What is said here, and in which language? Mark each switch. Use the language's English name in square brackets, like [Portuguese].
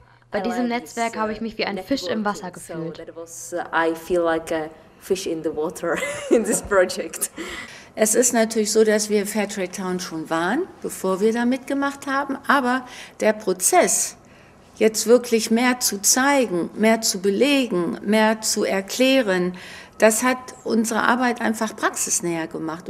[German] Bei diesem Netzwerk habe ich mich wie ein Fisch im Wasser gefühlt. [English] So that was, I feel like a fish in the water in this project. [German] Es ist natürlich so, dass wir Fairtrade Town schon waren, bevor wir da mitgemacht haben, aber der Prozess, jetzt wirklich mehr zu zeigen, mehr zu belegen, mehr zu erklären, das hat unsere Arbeit einfach praxisnäher gemacht.